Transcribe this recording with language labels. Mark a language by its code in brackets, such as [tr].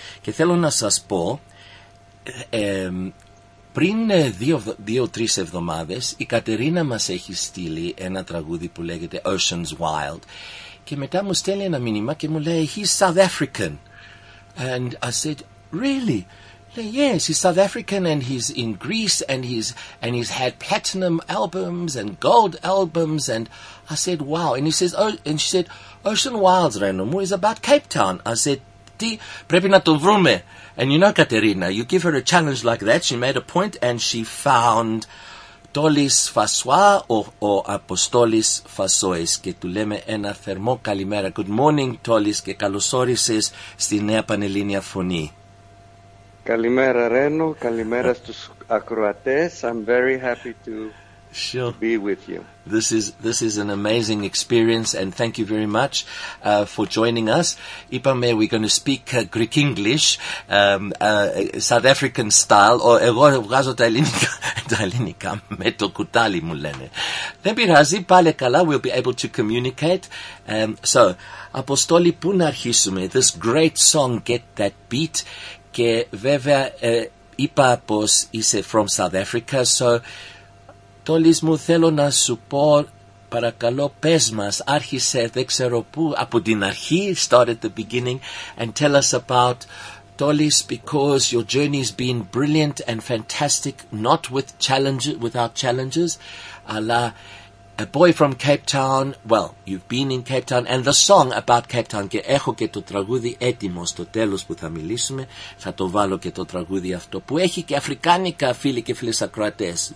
[el] Και θέλω να σας πω, πριν δύο-τρεις εβδομάδες, η Κατερίνα μας έχει στείλει ένα τραγούδι που λέγεται Ocean's Wild και μετά μου στέλνει ένα μήνυμα και μου λέει, [en] he's South African. And I said, really? Yes, he's South African and he's in Greece and he's had platinum albums and gold albums. And I said, wow. And he says, oh, and she said, Ocean Wilds, Renomu, is about Cape Town. I said, [el] ti, prepi na to vrume. [en] And you know, Katerina, you give her a challenge like that. She made a point and she found Tolis Fasois or Apostolis Fasois. [el] Και του λέμε ένα θερμό καλημέρα. [en] Good morning, [el] Tolis, και καλώς όρισες στη Νέα Πανελλήνια Φωνή. Καλημέρα, Ρένο. Καλημέρα στους ακροατές. [en] I'm very happy to, sure. to be with you. This is an amazing experience and thank you very much for joining us. [el] Είπαμε [en] we're going to speak Greek English, South African style. [el] Ο, εγώ βγάζω τα ελληνικά με το κουτάλι μου λένε. Δεν πειράζει, πάλι καλά, [en] we'll be able to communicate. [el] So, Αποστόλη, πού να αρχίσουμε? [en] This great song, Get That Beat. [el] Και βέβαια είπα πως είσαι [en] from South Africa, so [el] Τόλις μου θέλω να σου πω, παρακαλώ πες μας, άρχισε δεν ξέρω πού, από την αρχή, [en] start at the beginning, and tell us about Τόλις, because your journey has been brilliant and fantastic, not without challenges, αλλά a boy from Cape Town. Well, you've been in Cape Town, and the song about Cape Town. [el] Και έχω και το τραγούδι έτοιμο στο τέλος που θα μιλήσουμε. Θα το βάλω και το τραγούδι αυτό που έχει και αφρικάνικα, φίλοι και φίλες ακροατές.